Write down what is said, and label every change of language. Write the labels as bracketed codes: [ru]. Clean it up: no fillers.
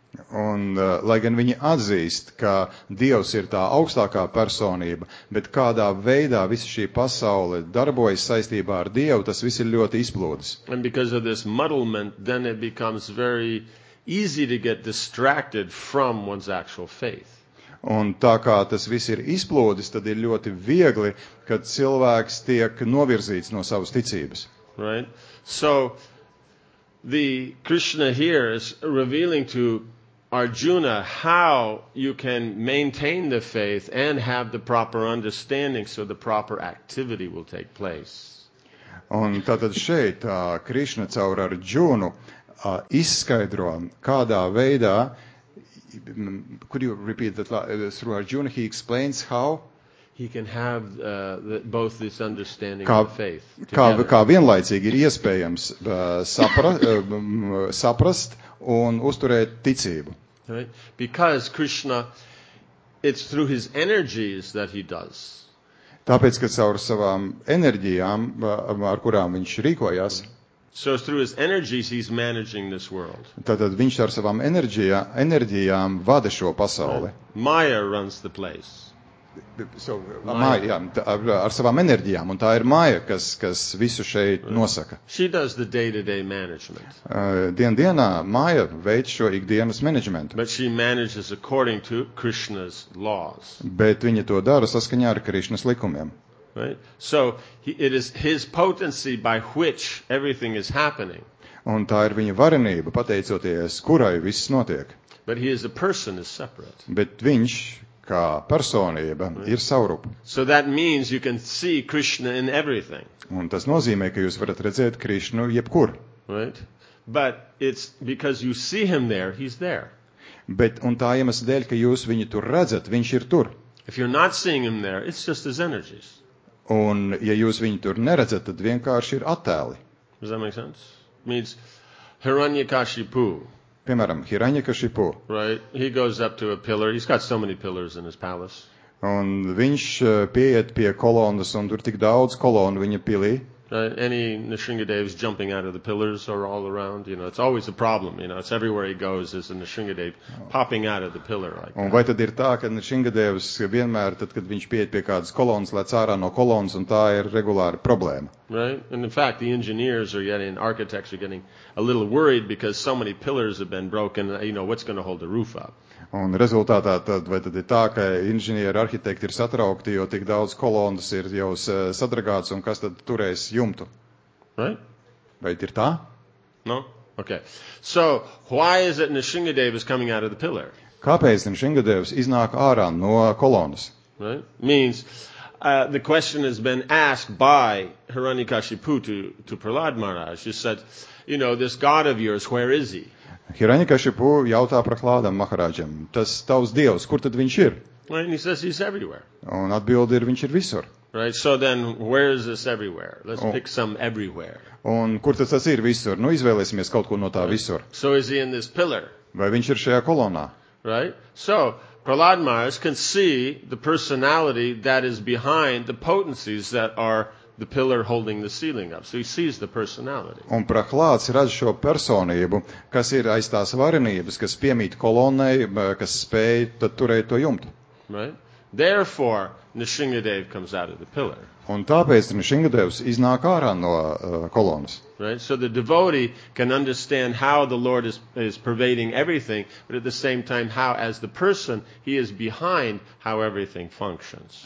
[lv] Un, lai gan viņi atzīst, ka Dievs ir tā augstākā personība, bet kādā veidā visa šī pasaule darbojas saistībā ar Dievu, tas viss ir ļoti izplūdis. [en] And because of this muddlement, then it becomes very easy to get distracted from one's actual faith. [lv] Un tā kā tas viss ir izplūdis, tad ir ļoti viegli, kad cilvēks tiek novirzīts no savas ticības. [en] right? So the Krishna here is revealing to Arjuna how you can maintain the faith and have the proper understanding so the proper activity will take place. [lv] Un tātad šeit Krišna caur Arjunu izskaidro, kādā veidā, [en] could you repeat that, through Arjuna, he explains how he can have both this understanding [lv] kā, [en] of faith together. [lv] Kā vienlaicīgi ir iespējams saprast un uzturēt ticību. [en] Right? Because Krishna, it's through his energies that he does. [lv] Tāpēc, ka caur savām enerģijām, ar kurām viņš rīkojas, [en] so through his energies he's managing this world. [lv] Tātad viņš ar savām enerģijām vada šo pasauli. [en] Right. Maya runs the place. So, Maya. [lv] Ar savām enerģijām, un tā ir Maya, kas visu šeit right. nosaka. [en] She does the day-to-day management. [lv] Dienā Maya veic šo ikdienas managementu. [en] But she manages according to Krishna's laws. [lv] Bet viņa to dara saskaņā ar Krišnas likumiem. [en] Right? So, it is his potency by which everything is happening. [lv] Un tā ir viņa varenība, pateicoties, kurai viss notiek. [en] But he is a person is separate. [lv] Bet viņš, kā personība, right. ir savrupa. [en] So that means you can see Krishna in everything. [lv] Un tas nozīmē, ka jūs varat redzēt Krishnu jebkur. [en] Right? But it's because you see him there, he's there. [lv] Bet un tā iemesla dēļ, ka jūs viņu tur redzat, viņš ir tur. [en] If you're not seeing him there, it's just his energies. [lv] Un ja jūs viņu tur neredzat, tad vienkārši ir attēli. [en] Does that make sense? Means Hiranyakashipu. [lv] Piemēram, Hiranyakashipu. [en] Right. He goes up to a pillar. He's got so many pillars in his palace. [lv] Un viņš pieiet pie kolonas un tur tik daudz kolonu viņa pilī. [en] Any Nrisimhadevas jumping out of the pillars or all around, you know, it's always a problem, you know, it's everywhere he goes is a Nrisimhadeva popping out of the pillar like [lv] Un vai tad ir tā, ka Nrisimhadevas vienmēr, tad, kad viņš pieiet pie kādas kolonas, lec ārā no kolonas, un tā ir regulāra problēma? [en] Right, and in fact, the engineers are getting, architects are getting a little worried because so many pillars have been broken, you know, what's going to hold the roof up? [lv] Un rezultātā tad, vai tad ir tā, ka inženieri, arhitekti ir satraukti, jo tik daudz kolonas ir jau sadragāts, un kas tad turēs jumtu? [en] Right. [lv] Vai ir tā? [en] No? Okay. So, why is it Nrisimhadeva is coming out of the pillar? [lv] Kāpēc Nrisimhadevs iznāk ārā no kolonas? [en] Right. Means, the question has been asked by Hiranyakashipu to Prahlad Maharaj. He said, you know, this god of yours, where is he? [lv] Hiranyakashipu jautā Prahlādam Maharājam, tas tavs dievs, kur tad viņš ir? [en] Right, he says he's everywhere. [lv] Un atbilde ir, viņš ir visur. [en] Right, so then, where is this everywhere? Let's pick some everywhere. [lv] Un kur tad tas ir visur? Nu, izvēlēsimies kaut ko no tā right. visur. [en] So is he in this pillar? [lv] Vai viņš ir šajā kolonā? [en] Right, so Prahlad Maharaj can see the personality that is behind the potencies that are the pillar holding the ceiling up. So he sees the personality. [lv] Un Prahlāds redz šo personību, kas ir aiz tās varenības, kas piemīt kolonai, kas spēj tad turēt to jumtu. [en] Right? Therefore, Nrisimhadeva comes out of the pillar. [lv] Un tāpēc Nrisimhadevs iznāk ārā no kolonas. [en] Right? So the devotee can understand how the Lord is pervading everything, but at the same time how, as the person, he is behind how everything functions.